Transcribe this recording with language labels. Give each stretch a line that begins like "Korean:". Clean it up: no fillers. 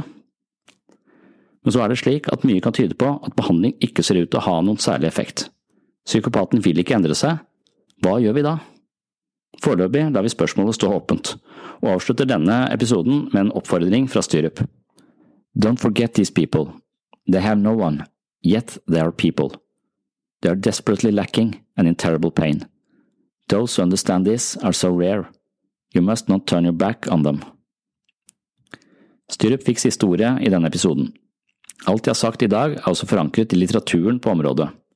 Norwegian: Men så det slik at mye kan tyde på at behandling ikke ser ut til å ha noen særlig effekt. Psykopaten vil ikke endre seg. Hva gjør vi da? Forløpig lar vi spørsmålet stå åpent, og avslutter denne episoden med en oppfordring fra Styrup.
English: Don't forget these people. They have no one. Yet they are people. They are desperately lacking and in terrible pain. Those who understand this are so rare. You must not turn your back on them.
Norwegian: Styrup fikk siste ordet I denne episoden. Alt jeg har sagt I dag også forankret I litteraturen på området.